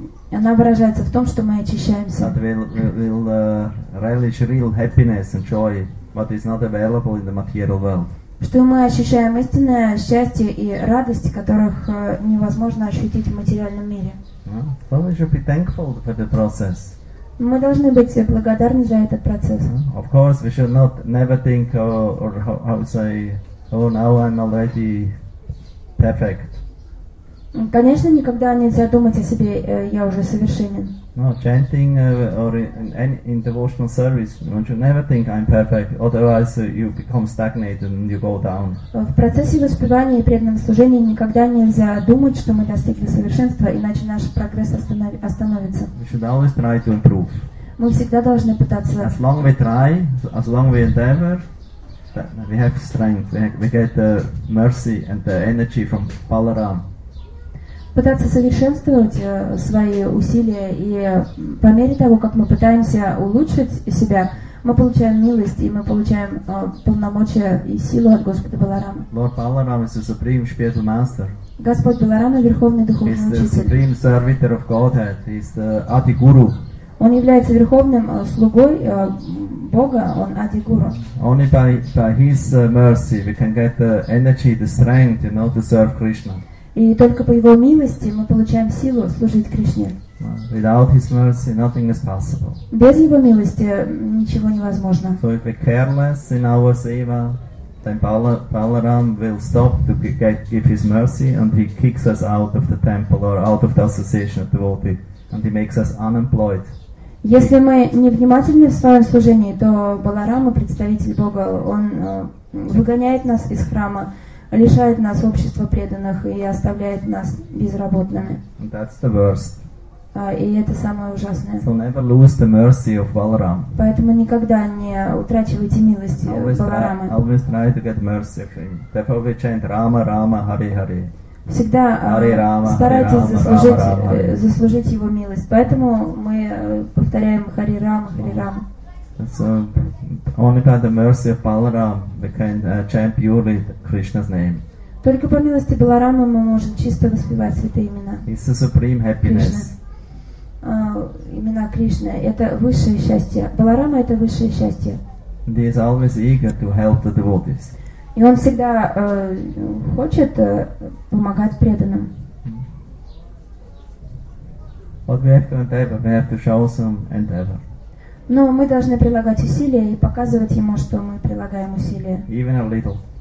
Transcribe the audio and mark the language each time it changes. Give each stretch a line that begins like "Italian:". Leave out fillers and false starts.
Russian: Она выражается в том, что мы очищаемся.
English: That we'll relish real happiness and joy, but it's not available in the material world.
Russian: Что мы ощущаем истинное счастье и радость, которых невозможно ощутить в материальном мире.
English: Well, we should be thankful for the process.
Russian: Мы должны быть благодарны за этот процесс.
English: Of course, we should not never think or how to say, oh, now I'm already perfect.
Russian: Конечно, никогда нельзя думать о себе, я уже совершенен.
English: No, chanting or in devotional service, you should never think I'm perfect, otherwise you become stagnated and you go down.
Russian: В процессе воспевания и преданном служении никогда нельзя думать, что мы достигли совершенства, иначе наш прогресс остановится.
English: We should always try to improve.
Russian: Мы всегда должны пытаться.
English: As long we try, as long we endeavor, we have strength, we get the mercy and the energy from Balaram.
Russian: Пытаться совершенствовать свои усилия, и по мере того, как мы пытаемся улучшить себя, мы получаем милость, и мы получаем полномочия и силу от Господа Баларама.
English: Lord Balaram is the supreme spiritual master.
Russian: Господь Баларама — верховный духовный
English: He's
Russian: учитель.
English: He's the supreme servitor of Godhead. He's the Adi Guru.
Russian: Он является верховным слугой Бога, он Ади Гуру.
English: Only by His mercy we can get the energy, the strength, you know, to serve Krishna.
Russian: И только по его милости мы получаем силу служить Кришне.
English: Without his mercy, nothing is possible.
Russian: Без его милости ничего невозможно.
English: So if we're careless in our seva, then Balaram will stop to give his mercy and he kicks us out of the temple or out of the association of devotee and he makes us unemployed.
Russian: Если мы невнимательны в своем служении, то Баларама, представитель Бога, он выгоняет нас из храма, лишает нас общества преданных и оставляет нас безработными.
English: That's the worst.
Russian: И это самое ужасное.
English: So never lose the mercy of Balaram.
Russian: Поэтому никогда не утрачивайте милости Баларамы.
English: Always try to get mercy of him. Therefore we chant Rama, Rama, Hari, Hari.
Russian: Всегда старайтесь заслужить его милость. Поэтому мы повторяем Хари Рама, Хари Рама.
English: So only by the mercy of Balaram we can chant purely Krishna's name.
Russian: Только по милости Баларамы мы можем чисто воспевать святые имена.
English: It's the supreme happiness.
Russian: Имена Кришны — это высшее счастье. Баларама — это высшее счастье.
English: He is always eager to help the devotees.
Russian: И он всегда хочет помогать преданным.
English: But we have to endeavor. We have to show some endeavor.
Russian: Но мы должны прилагать усилия и показывать ему, что мы прилагаем усилия.
English: Even a little.